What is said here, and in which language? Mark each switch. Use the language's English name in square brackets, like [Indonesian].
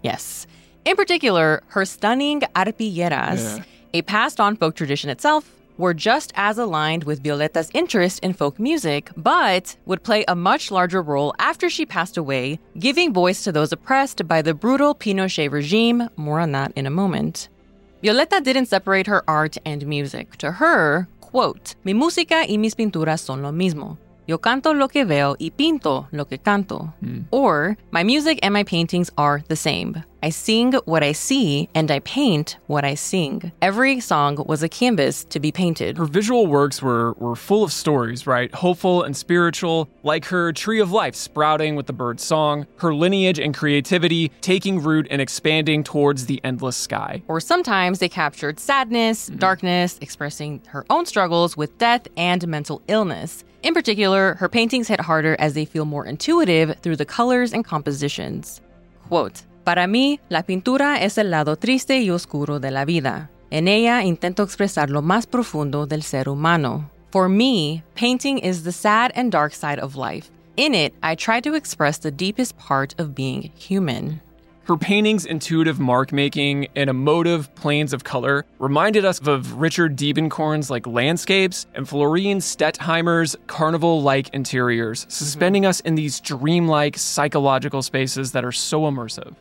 [English] Yes. In particular, her stunning arpilleras, a passed-on folk tradition itself, were just as aligned with Violeta's interest in folk music, but would play a much larger role after she passed away, giving voice to those oppressed by the brutal Pinochet regime. More on that in a moment. Violeta didn't separate her art and music. To her, quote, [Spanish] "Mi música y mis pinturas son lo mismo. Yo canto lo que veo y pinto lo que canto." [English] Or, "My music and my paintings are the same. I sing what I see and I paint what I sing. Every song was a canvas to be painted." Her visual works were full of stories, right? Hopeful and spiritual, like her tree of life sprouting with the bird's song, her lineage and creativity taking root and expanding towards the endless sky. Or sometimes they captured sadness, darkness, expressing her own struggles with death and mental illness. In particular, her paintings hit harder as they feel more intuitive through the colors and compositions. [Spanish] Quote, "Para mí, la pintura es el lado triste y oscuro de la vida. En ella intento expresar lo más profundo del ser humano. [English] For me, painting is the sad and dark side of life. In it, I try to express the deepest part of being human." Her painting's intuitive mark-making and emotive planes of color reminded us of Richard Diebenkorn's like landscapes and Florian Stettheimer's carnival-like interiors, suspending us in these dreamlike psychological spaces that are so immersive.